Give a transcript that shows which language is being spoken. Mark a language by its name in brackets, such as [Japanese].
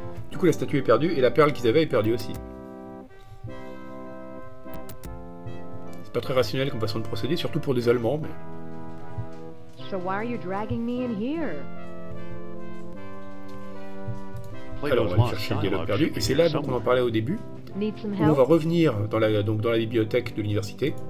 [French] Du coup, la statue est perdue, et la perle qu'ils avaient est perdue aussi. C'est pas très rationnel comme façon de procéder, surtout pour des Allemands, mais... [English] So why are you dragging me in here? [French] Alors on va chercher le dialogue perdu, et c'est là dont on en parlait au début, où on va revenir dans la bibliothèque de l'université.